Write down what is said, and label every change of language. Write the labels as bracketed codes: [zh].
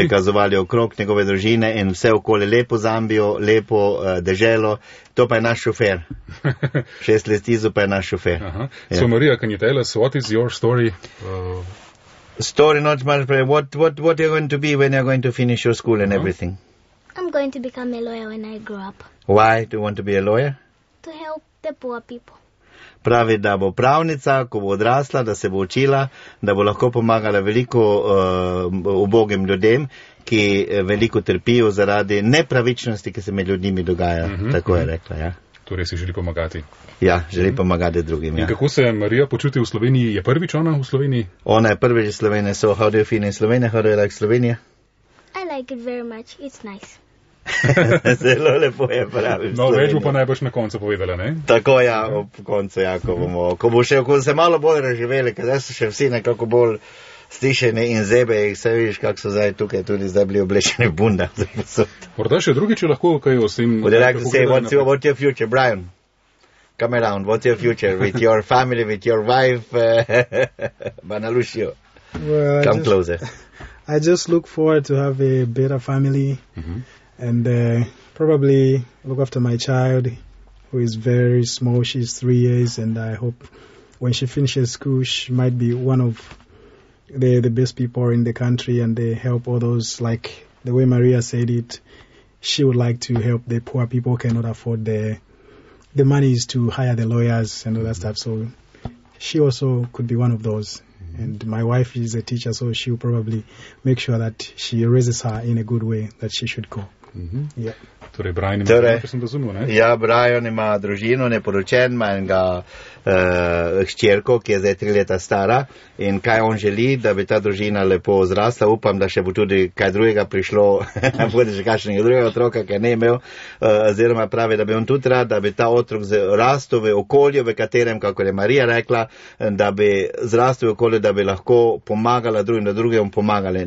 [sl] Prikazovali okrog njegove družine in vse okoli lepo Zambijo, lepo deželo. To pa je naš šofer. 6 let izu pa je naš šofer. Aha. [en] So, Marija, can you tell us, what is your story? Story, not much, but what are you going to be when you're going to finish your school and everything? I'm going to become a lawyer when I grow up. Why do you want to be a lawyer? To help the poor people. [sl] Pravi, da bo pravnica, ko bo odrasla, da se bo učila, da bo lahko pomagala veliko ubogim ljudem, ki veliko trpijo zaradi nepravičnosti, ki se med ljudmi dogaja. Tako je rekla, ja. Torej si želi pomagati. Ja, želi pomagati drugim. In kako se Marija počuti v Sloveniji? Je prvič ona v Sloveniji? Ona je prvič v Sloveniji. [en] So, how do you feel in Slovenia? How do you like Slovenia? I like it very much. It's nice. [sl] Zelo lepo je pravi. No, več bo pa najbolj na koncu povedala, ne? Tako ja, ob koncu, ja, ko bomo. Ko bo še, ko se malo bolj razživeli, ker so še vsi nekako bolj stišeni in zebe, jih se vidiš, kako so zdaj tukaj tudi zdaj bili oblečeni v bunda. Morda še drugi, če lahko kaj osim. [en] Would you like to say, what's your future, Brian? Come around, what's your future with your family, with your wife, Bana Lucio? Well, come closer. I just look forward to have a better family and probably look after my child, who is very small. She's 3 years and I hope when she finishes school, she might be one of the best people in the country and they help all those, like the way Maria said it, she would like to help the poor people cannot afford the money is to hire the lawyers and all that stuff. So she also could be one of those. And my wife is a teacher, so she will probably make sure that she raises her in a good way that she should go. [sl] Torej, Brian ima, torej, ki sem razumel, ne? Ja, Brian ima družino, neporočen, ima enega hčerko, ki je zdaj 3 leta stara in kaj on želi, da bi ta družina lepo zrasla. Upam, da še bo tudi kaj drugega prišlo, bude še kakšnega drugega otroka, ki je ne imel, oziroma pravi, da bi on tudi rad, da bi ta otrok zrastil v okolju, v katerem, kako je Marija rekla, da bi zrastil v okolju, da bi lahko pomagala drugim, da drugim pomagali.